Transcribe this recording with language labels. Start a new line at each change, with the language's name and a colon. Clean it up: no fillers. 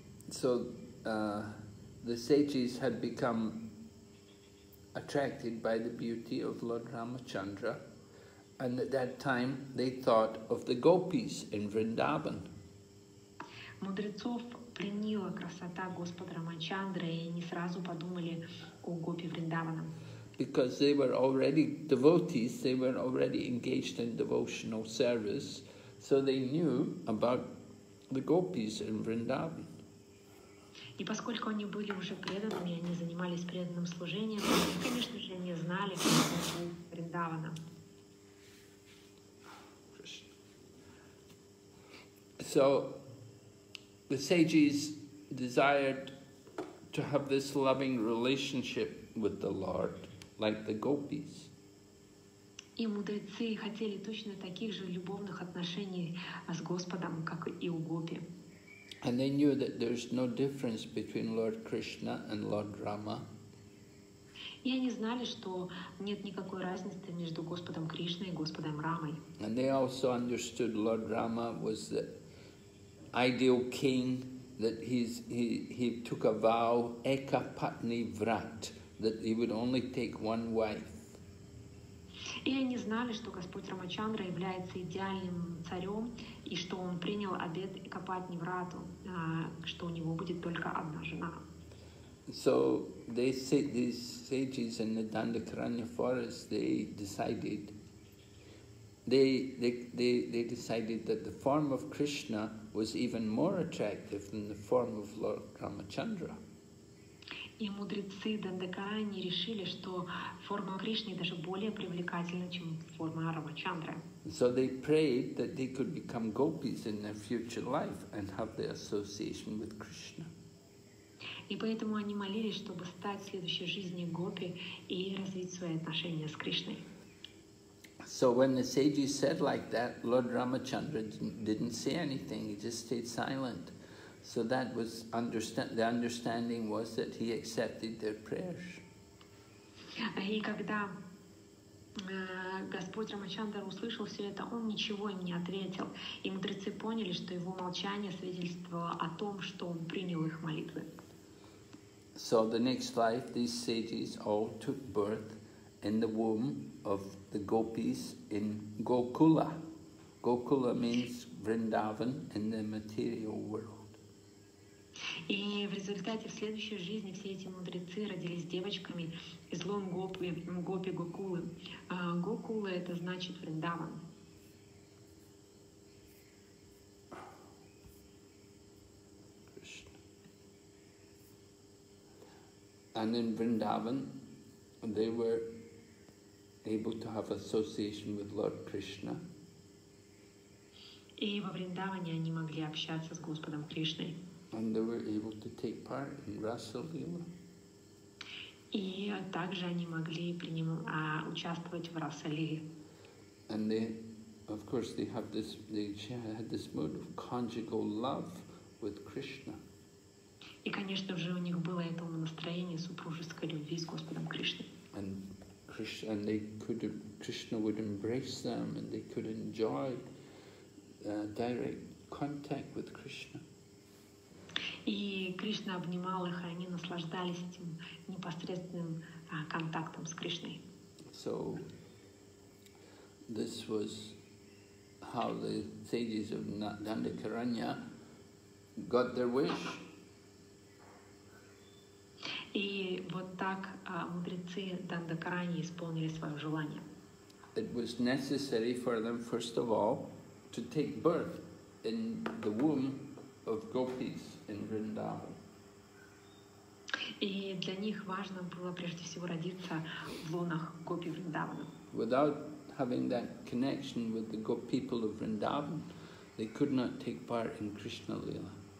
English: So the sages had become attracted by the beauty of Lord Ramachandra, and at that time they thought of the gopis in Vrindavan.
Russian: Мудрецов пленила красота Господа Рамачандры, и они сразу подумали о гопи Вриндавана.
English: Because they were already devotees, they were already engaged in devotional service, so they knew about the gopis in Vrindavan.
Russian: И поскольку они были уже преданными, они занимались преданным служением, конечно же, они знали, что это Вриндавана.
English: So, the sages desired to have this loving relationship with the Lord, like the gopis.
Russian: И мудрецы хотели точно таких же любовных отношений с Господом, как и у гопи.
English: And they knew that there's no difference between Lord Krishna and Lord Rama.
Russian: И они знали, что нет никакой разницы между Господом Кришной и Господом Рамой.
English: And they also understood Lord Rama was the ideal king, that he took a vow,
Sanskrit: eka patni vrat,
English: that he would only take one wife.
Russian: И они знали, что Господь Рамачандра является идеальным царем, и что он принял обет копать неврату, что у него будет только одна жена.
English: So they say, these sages in the Dandakaranya forest, they decided that the form of Krishna was even more attractive than the form of Lord Ramachandra.
Russian: И мудрецы Дандакарани решили, что форма Кришны даже более привлекательна, чем форма Рамачандры.
English: So they prayed that they could become gopis in their future life and have their association with Krishna.
Russian: И поэтому они молились, чтобы стать в следующей жизни гопи и развить свои отношения с Кришной.
English: So when the sages said like that, Lord Ramachandra didn't say anything, he just stayed silent. So that was the understanding was that he accepted their prayers.
Russian: И когда Господь Рамачандра услышал все это, он ничего им не ответил. И мудрецы поняли, что его молчание свидетельствовало о том, что он принял их молитвы.
English: So the next life, these sages all took birth in the womb of the gopis in Gokula. Gokula means Vrindavan in the material world.
Russian: И в результате в следующей жизни все эти мудрецы родились девочками из лон гопи, гопи Гокулы. Гокула это значит Вриндаван.
English: And in Vrindavan they were able to have association with Lord Krishna.
Russian: И во Вриндаване они могли общаться с Господом Кришной.
English: And they were able to take part in Rasa Lila.
Russian: И также они могли участвовать в Rasa Lila.
English: And they, of course, they have this. They had this mode of conjugal love with Krishna.
Russian: И конечно же у них было это настроение супружеской любви с Господом Кришной.
English: And Krishna, and they could, Krishna would embrace them, and they could enjoy direct contact with Krishna.
Russian: И Кришна обнимал их, и они наслаждались этим непосредственным контактом с Кришной.
English: So this was how the sages of Dandakaranya got their wish.
Russian: И вот так мудрецы Дандакараньи исполнили свое желание.
English: It was necessary for them, first of all, to take birth in the womb of gopis in Vrindavan.
Russian: И для них важно было прежде всего родиться в лонах гопи Вриндавана.
English: Without having that connection with the gopi people of Vrindavan, they could not take part in Krishna Lila.